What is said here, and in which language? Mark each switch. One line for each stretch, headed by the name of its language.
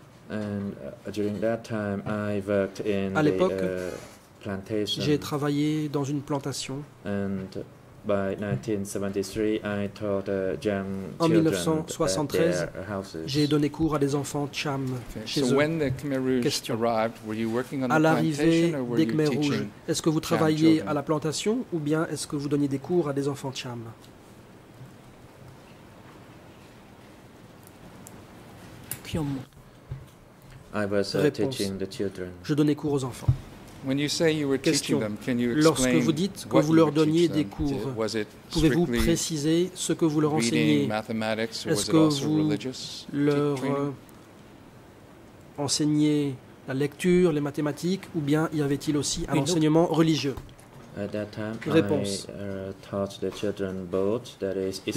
English: And during that time, I worked in
French: à l'époque,
English: plantation.
French: J'ai travaillé dans une plantation.
English: And by 1973, I taught young children.
French: En 1973, j'ai donné cours à des enfants Cham chez eux.
English: So when the Khmer Rouge arrived, were you working on the plantation or were you teaching?
French: Est-ce que vous travailliez à la plantation ou bien est-ce que vous donniez des cours à des enfants Cham?
English: I was teaching the children.
French: Je donnais cours aux enfants.
English: When you say you were
French: question.
English: Teaching them, can you explain
French: lorsque vous dites que vous leur donniez des cours, pouvez-vous préciser ce que vous leur enseignez? Est-ce que vous leur enseignez la lecture, les mathématiques, ou bien y avait-il aussi un enseignement religieux?
English: At that time,
French: réponse.
English: I taught the children both, that is Islamic,